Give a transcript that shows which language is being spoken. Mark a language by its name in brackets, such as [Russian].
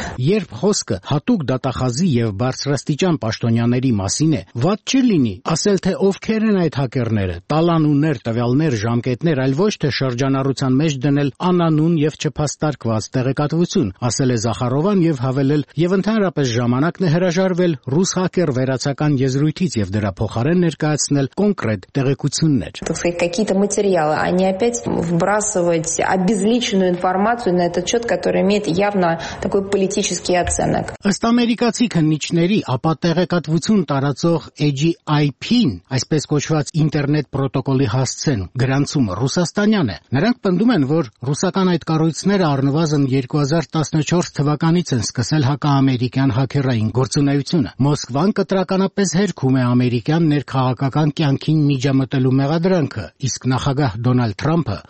[Armenian] Երբ խոսքը հատուկ դատախազի և բարձրաստիճան պաշտոնյաների մասին է, վատ չի լինի ասել, թե ովքեր են այդ հաքերները, տալան ու ներ տվյալներ, ժամկետներ էր, այլ ոչ թե շրջանառության մեջ դնել անանուն եւ չփաստարկված տեղեկատվություն, ասել է Զախարովան եւ հավելել, եւ ընդհանրապես ժամանակն է հրաժարվել ռուս հակեր վերացական եզրույթից եւ դրա փոխարեն ներկայացնել կոնկրետ տեղեկություններ։ [Russian] Какие-то материалы, а не опять вбрасывать обезличенную информацию на этот счет, который имеет явно такой политический оценок. [Armenian] Ըստ ամերիկացի քննիչների, ապա տեղեկատվություն տարածող AGIP-ն, այսպես կոչված ինտերնետ պրոտոկոլի հասցեն, գրանցումը ռուսաստանյան է։ Նրանք պնդում են, որ ռուսական այդ կառույցները առնվազն 2014 թվականից են սկսել հակաամերիկյան հաքերային գործունեությունը։ Մոսկվան կտրականապես հերքում է ամերիկյան ներքաղաքական կյանքին միջամտելու մեղադրանքը։ Իսկ նախագահ Դոնալդ Թրամփը